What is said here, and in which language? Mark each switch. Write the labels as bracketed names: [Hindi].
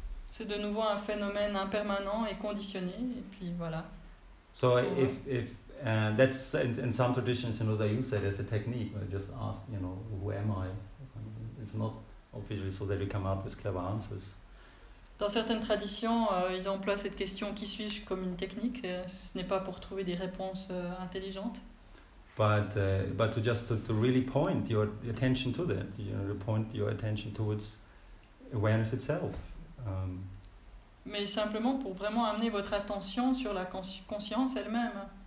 [French] C'est de nouveau un phénomène impermanent et conditionné, et puis voilà. [English] So if that's in some traditions, you know, they use that as a technique, where you just ask, you know, who am I? It's not obviously so that you come up with clever answers. [French] Dans certaines traditions, ils emploient cette question qui suis-je comme une technique. Ce n'est pas pour trouver des réponses intelligentes. [English] But to just to really point your attention to that, you know, to point your attention towards awareness itself. [French] Mais simplement pour vraiment amener votre attention sur la conscience elle-même.